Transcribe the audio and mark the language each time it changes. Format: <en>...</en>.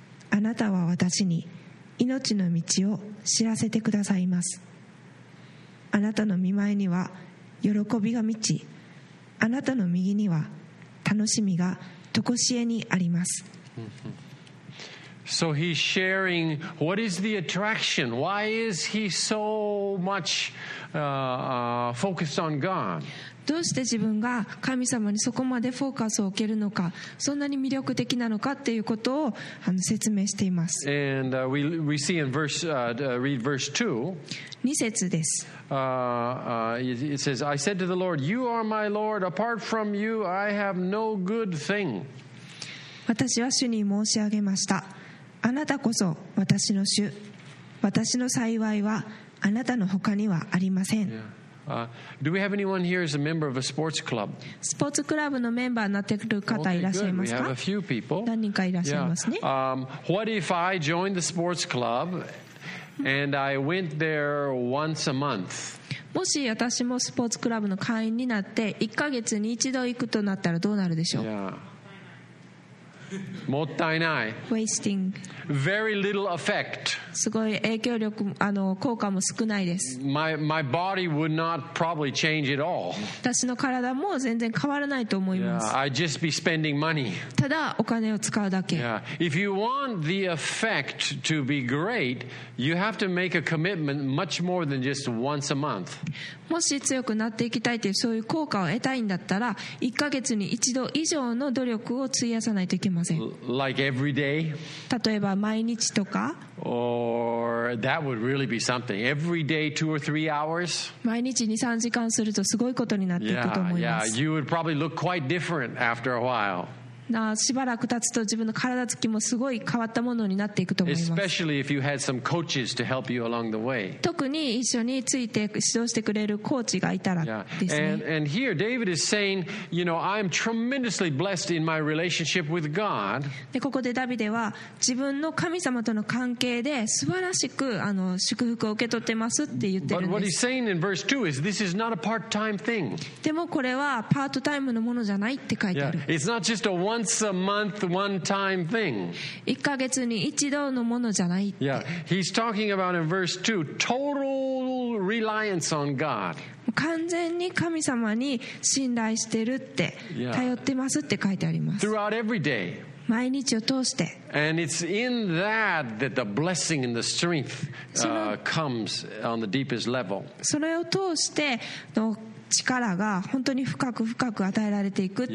<ja>あなたは私に命の道を知らせてくださいます。あなたの御前には喜びが満ち、あなたの右には楽しみが常しえにあります。</ja> <en>So he's sharing what is the attraction? Why is he so much focused on God?</en> <ja>どうして自分が神様にそこまでフォーカスを受けるのか、そんなに魅力的なのかっていうことを説明しています。</ja> <en>And we see in verse, read verse 2.</en> <ja>2節です。</ja> <en>It says, I said to the Lord, You are my Lord. Apart from you, I have no good thing.</en> <ja>私は主に申し上げました。あなたこそ私の主。私の幸いはあなたの他にはありません。</ja> <en>Yeah. Do we have anyone here as a member of a sports club?</en> <ja>スポーツクラブのメンバーになっている方いらっしゃいますか？</ja> <en>We have a few people.</en> <ja>何人かいらっしゃいますね。</ja> <en>What if I joined the sports club and I went there once a month?</en> <ja>もし私もスポーツクラブの会員になって1ヶ月に1度行くとなったらどうなるでしょう？</ja> <en>Yeah.</en> <ja>もったいない。</ja> <en>Wasting. Very little effect.</en> <ja>すごい影響力、効果も少ないです。</ja> <en>My body would not probably change at all.</en> <ja>私の体も全然変わらないと思います。</ja> <en>Yeah, I'd just be spending money.</en> <ja>ただお金を使うだけ。</ja> <en>Yeah. If you want the effect to be great, you have to make a commitment much more than just once a month.</en> <ja>もし強くなっていきたいというそういう効果を得たいんだったら、1ヶ月に1度以上の努力を費やさないといけません。</ja> <en>Like every day?</en> <ja>例えば毎日とか。</ja> <en>Or that would really be something. Every day, two or three hours.</en> <ja>毎日 2,3 時間するとすごいことになっていくと思います。</ja> <en>Yeah, yeah. You would probably look quite different after a while.</en> <ja>なあ、しばらく経つと自分の体つきもすごい変わったものになっていくと思います。</ja> <en>Especially if you had some coaches to help you along the way.</en> <ja>特に一緒について指導してくれるコーチがいたらですね。</ja> <en>Yeah. And here David is saying, you know, I am tremendously blessed in my relationship with God.</en> <ja>でここでダビデは自分の神様との関係で素晴らしく祝福を受け取ってますって言ってるんです。</ja> <en>But what he's saying in verse 2 is this is not a part-time thing.</en> <ja>でもこれはパートタイムのものじゃないって書いてある。</ja> <en>Yeah. It's not just a Once a month, one-time thing.</en> <ja>1ヶ月に1度のものじゃないって。</ja> <en>Yeah, he's talking about in verse 2, total reliance on God.</en> <ja>完全に神様に信頼してるって、頼ってますって書いてあります。</ja> <en>Throughout every day.</en> <ja>毎日を通して。</ja> <en>And it's in that that the blessing and the strength comes on the deepest level.</en> <ja>それを通しての力が本当に深く深く与えられていくって。</ja>